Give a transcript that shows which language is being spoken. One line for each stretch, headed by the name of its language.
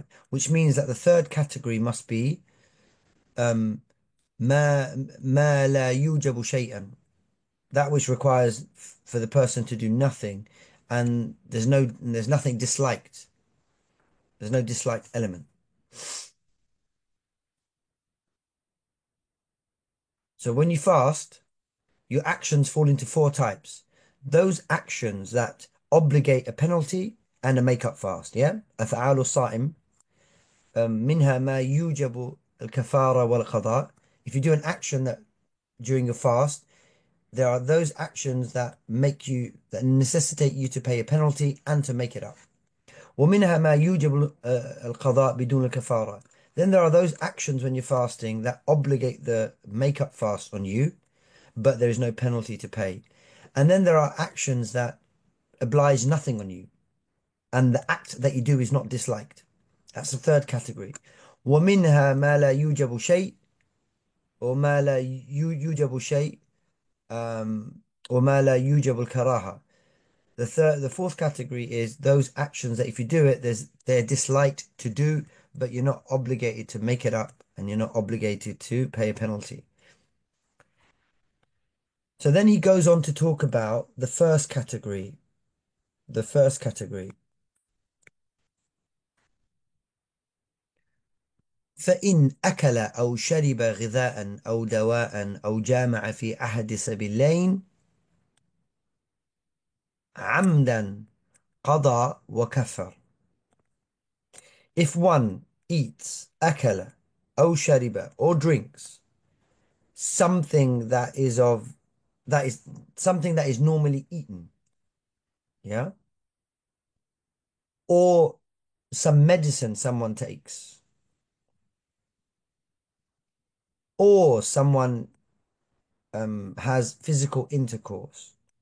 English: which means that the third category must be
Arabic: ما لَا يُوجَبُ شَيْئًا,
English: that which requires for the person to do nothing, and there's no disliked element. So when you fast, your actions fall into four types. those actions that obligate a penalty and a make-up fast.
Arabic: Yeah, أفعال الصائم منها ما يوجب الكفارة والقضاء.
English: If you do an action that during your fast, there are those actions that make you that necessitate you to pay a penalty and to make it up.
Arabic: ومنها ما يوجب القضاء بدون الكفارة.
English: Then there are those actions when you're fasting that obligate the make-up fast on you, but there is no penalty to pay. And then there are actions that oblige nothing on you, and the act that you do is not disliked. That's the third category.
Arabic: ومنها ما لا يوجب شيء وما لا يوجب شيء وما لا يوجب الكراهة.
English: The fourth category is those actions that if you do it, they're disliked to do, but you're not obligated to make it up and you're not obligated to pay a penalty. So then he goes on to talk about the first category. The first category.
Arabic: فإن أكل أو شرب غذاء أو دواء أو جامع في أحد سبيلين عمدا قضى وكفر.
English: If one eats,
Arabic: أكل أو شرب
English: or drinks something that is of that is something that is normally eaten, yeah, or some medicine someone takes, or someone has physical intercourse